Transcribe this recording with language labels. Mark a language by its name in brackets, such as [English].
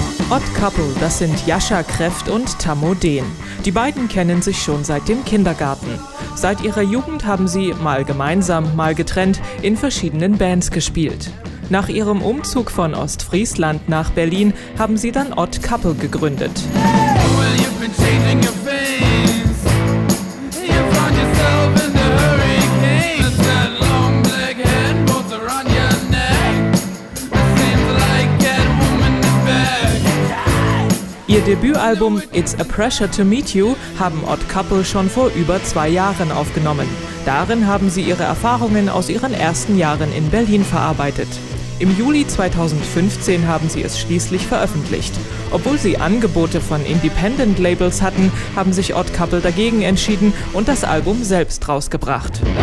[German] Odd Couple, das sind Jascha Kreft und Tammo Dehn. Die beiden kennen sich schon seit dem Kindergarten. Seit ihrer Jugend haben sie, mal gemeinsam, mal getrennt, in verschiedenen Bands gespielt. Nach ihrem Umzug von Ostfriesland nach Berlin haben sie dann Odd Couple gegründet. [English] Well, you've been changing your face. You found yourself in the hurricane. There's that long black hand both around your neck. It seems like that woman is back. [German] Ihr Debütalbum It's a Pressure to Meet You haben Odd Couple schon vor über 2 Jahren aufgenommen. Darin haben sie ihre Erfahrungen aus ihren ersten Jahren in Berlin verarbeitet. Im Juli 2015 haben sie es schließlich veröffentlicht. Obwohl sie Angebote von Independent-Labels hatten, haben sich Odd Couple dagegen entschieden und das Album selbst rausgebracht.